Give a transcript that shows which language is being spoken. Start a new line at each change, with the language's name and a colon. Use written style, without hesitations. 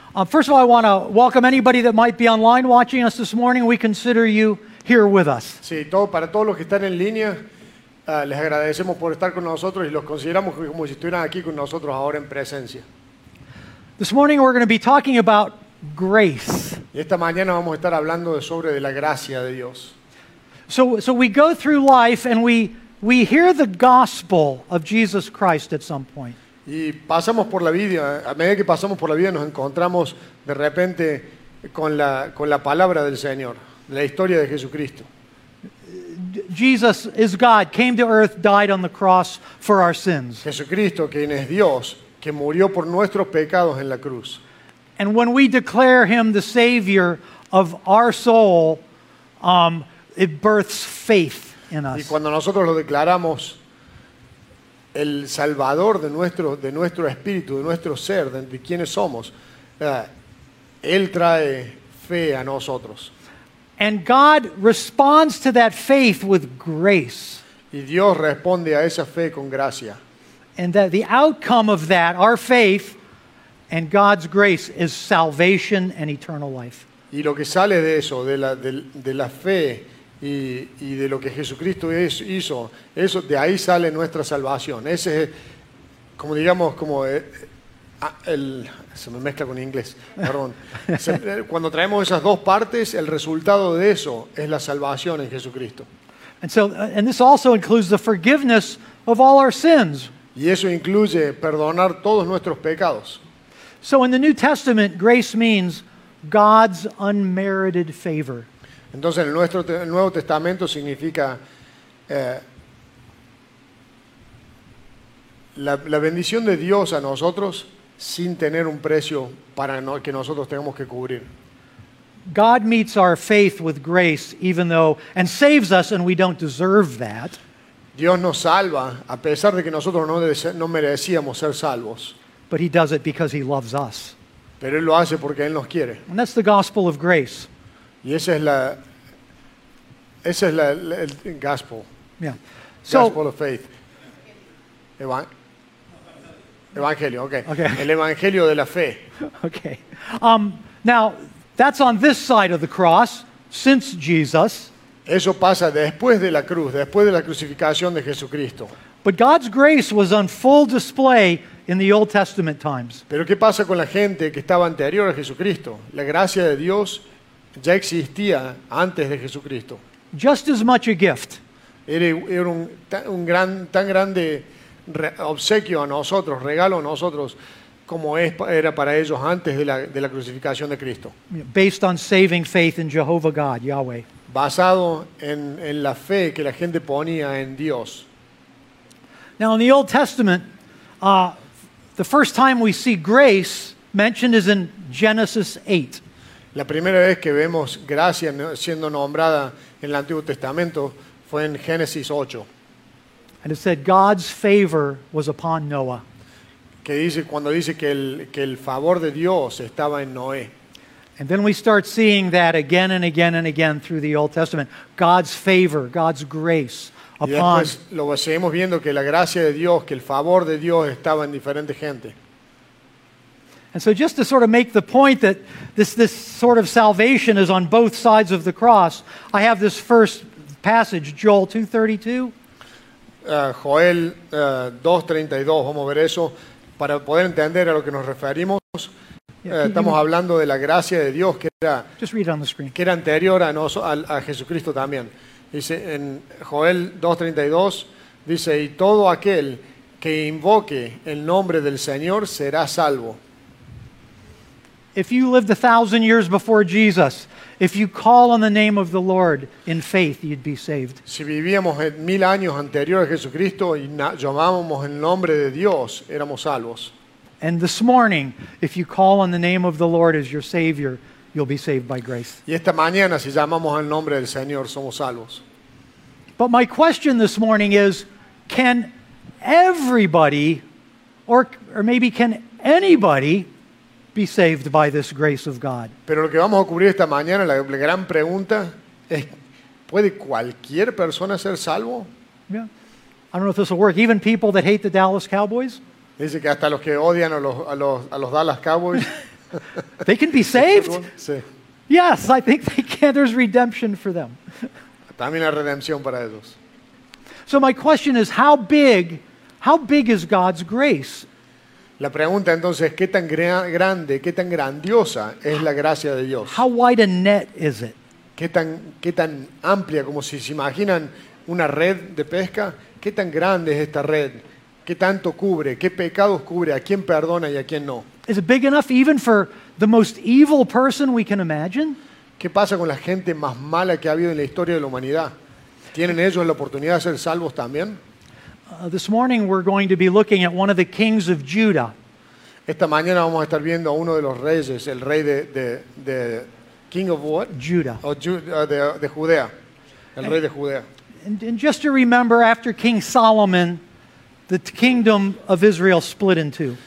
English: First of all, I want to welcome anybody that might be online watching us this morning. We consider you here with us.
Spanish: Sí, para todos los que están en línea, les agradecemos por estar con nosotros y los consideramos como si estuvieran aquí con nosotros ahora en presencia.
English: This morning we're going to be talking about grace.
Spanish: Y esta mañana vamos a estar hablando sobre de la gracia de Dios.
English: So we go through life and we hear the gospel of Jesus Christ at some point.
Spanish: Y pasamos por la vida, a medida que pasamos por la vida nos encontramos de repente con la palabra del Señor, la historia de Jesucristo.
English: Jesus is God, came to earth, died on the cross for our sins.
Spanish: Jesucristo, quien es Dios, que murió por nuestros pecados en la cruz.
English: And when we declare him the savior of our soul, it births faith in us.
Spanish: Y cuando nosotros lo declaramos el salvador de nuestro espíritu, de nuestro ser, de quienes somos, él trae fe a nosotros.
English: And God responds to that faith with grace.
Spanish: Y Dios responde a esa fe con gracia.
English: And that the outcome of that, our faith and God's grace, is salvation and eternal life.
Spanish: Y lo que sale de eso, de la fe y de lo que Jesucristo hizo, eso de ahí sale nuestra salvación. Ese es, como digamos, como el se me mezcla con inglés. Perdón. Cuando traemos esas dos partes, el resultado de eso es la salvación en Jesucristo.
English: And so, and this also includes the forgiveness of all our sins.
Spanish: Y eso incluye perdonar todos nuestros pecados.
English: So in the New Testament, grace means God's unmerited favor.
Spanish: Entonces en el Nuevo Testamento significa la bendición de Dios a nosotros sin tener un precio para que nosotros tengamos que cubrir.
English: God meets our faith with grace even though and saves us and we don't deserve that.
Spanish: Dios nos salva a pesar de que nosotros no merecíamos ser salvos.
English: But he does it because he loves us.
Spanish: Pero él lo hace porque él nos quiere.
English: And that's the gospel of grace.
Spanish: Y esa es la el gospel.
English: Yeah. So, gospel of faith.
Spanish: Evangelio, okay.
English: Okay.
Spanish: El evangelio de la fe.
English: Okay. Now that's on this side of the cross since Jesus.
Spanish: Eso pasa después de la cruz, después de la crucificación de Jesucristo.
English: But God's grace was on full display in the Old Testament times.
Spanish: Pero ¿qué pasa con la gente que estaba anterior a Jesucristo? La gracia de Dios ya existía antes de Jesucristo.
English: Just as much a gift.
Spanish: Era un tan grande obsequio a nosotros, regalo a nosotros, como era para ellos antes de la crucificación de Cristo.
English: Based on saving faith in Jehovah God, Yahweh.
Spanish: Basado en la fe que la gente ponía en Dios.
English: Now in the Old Testament, the first time we see grace mentioned is in Genesis 8.
Spanish: La primera vez que vemos gracia siendo nombrada en el Antiguo Testamento fue en Génesis 8.
English: And it said God's favor was upon Noah.
Spanish: Que dice, cuando dice que el favor de Dios estaba en Noé.
English: And then we start seeing that again and again and again through the Old Testament. God's favor, God's grace upon.
Spanish: Y después lo seguimos viendo que la gracia de Dios, que el favor de Dios estaba en diferente gente.
English: And so just to sort of make the point that this sort of salvation is on both sides of the cross, I have this first passage, Joel 2:32.
Spanish: Joel 2:32, vamos a ver eso. Para poder entender a lo que nos referimos, estamos hablando de la gracia de Dios que era anterior a Jesucristo también. Dice en Joel 2:32, dice, y todo aquel que invoque el nombre del Señor será salvo.
English: If you lived 1,000 years before Jesus, if you call on the name of the Lord in faith, you'd be saved.
Spanish: Si vivíamos 1,000 años anterior a Jesucristo y llamábamos el nombre de Dios, éramos salvos.
English: And this morning, if you call on the name of the Lord as your Savior, you'll be saved by grace.
Spanish: Y esta mañana, si llamamos al nombre del Señor, somos salvos.
English: But my question this morning is, can everybody, or maybe can anybody, be saved by this grace of God?
Spanish: Pero lo que vamos a cubrir esta mañana, la gran pregunta es, ¿puede cualquier persona ser salvo?
English: Yeah. I don't know if this will work. Even people that hate the Dallas Cowboys.
Spanish: Dice que hasta los que odian a los Dallas Cowboys.
English: They can be saved?
Spanish: Sí.
English: Yes, I think they can. There's redemption for them.
Spanish: También hay redención para ellos.
English: So my question is, how big is God's grace?
Spanish: La pregunta entonces, ¿qué tan grande, qué tan grandiosa es la gracia de Dios?
English: How wide a net is it?
Spanish: ¿Qué tan amplia, como si se imaginan una red de pesca? ¿Qué tan grande es esta red? ¿Qué tanto cubre? ¿Qué pecados cubre? ¿A quién perdona y a quién no?
English: Is it big enough even for the most evil person we can imagine?
Spanish: ¿Qué pasa con la gente más mala que ha habido en la historia de la humanidad? ¿Tienen ellos la oportunidad de ser salvos también?
English: This morning we're going to be looking at one of the kings of Judah.
Spanish: Esta mañana vamos a estar viendo a uno de los reyes, el rey de
English: king of what? Judah.
Spanish: De Judea. El rey de Judea.
English: And just to remember, after King Solomon, the kingdom of Israel split in two.